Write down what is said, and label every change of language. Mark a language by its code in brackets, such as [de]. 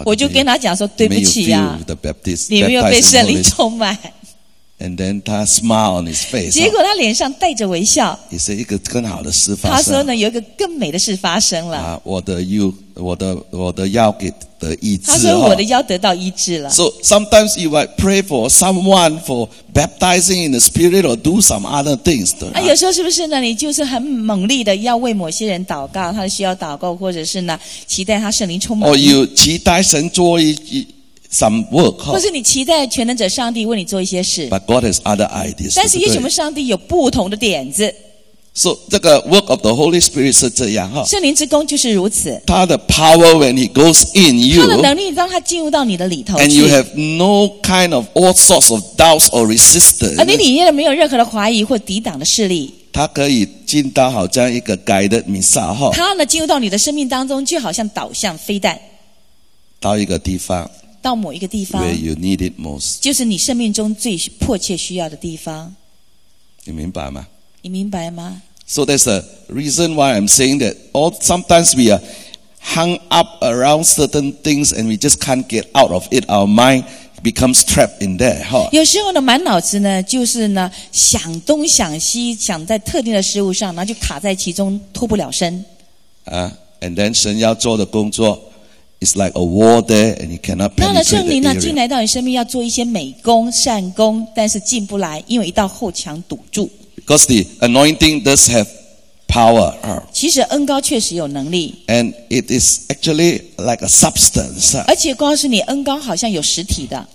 [zh] 我就跟他讲说对不起啊，没 Baptist, 你没有被圣灵充满。 [en] And then [zh] 他 [en] smile on his face， [zh] 结果他脸上带着微笑。也是一个更好的事发生。他说呢，有一个更美的事发生了。我的腰给得医治。他说我的腰得到医治了。 [en] So sometimes you might pray for someone for baptizing in the spirit or do some other things. [zh] 有时候是不是呢？你就是很猛力的要为某些人祷告，他需要祷告，或者是呢，期待他圣灵充满。 [en] Or you [zh] 期待神做一。 [en] Some work, [zh] 或是你期待全能者上帝为你做一些事 [en] But God has other ideas, [zh] 但是也许我们上帝有不同的点子 [en] So [zh] 这个 [en] work of the Holy Spirit [zh] 是这样圣灵之工就是如此他的 [en] power when he goes in you [zh] 他的能力当他进入到你的里头去 [en] And you have no kind of all sorts of doubts or resistance [zh] 而你里面没有任何的怀疑或抵挡的势力他可以进到好像一个 [en] guided missile [zh] 他呢进入到你的生命当中就好像导向飞弹到一个地方到某一个地方 [en] Where you need it most. [zh] 就是你生命中最迫切需要的地方你明白吗你明白吗 [en] So that's the reason why I'm saying that all, sometimes we are hung up around certain things and we just can't get out of it our mind becomes trapped in there、huh? [zh] 有时候呢满脑子呢就是呢想东想西想在特定的事物上然后就卡在其中脱不了身、 [en] and then [zh] 神要做的工作 [en] It's like a wall there, and you cannot penetrate the area. [zh] 圣灵呢进来到你生命，要做一些美工、善工，但是进不来，因为一道后墙堵住。 [en] Because the anointing does have power. [zh] 其实恩膏确实有能力。 [en] And it is actually like a substance. [zh] 而且告诉你，恩膏好像有实体的。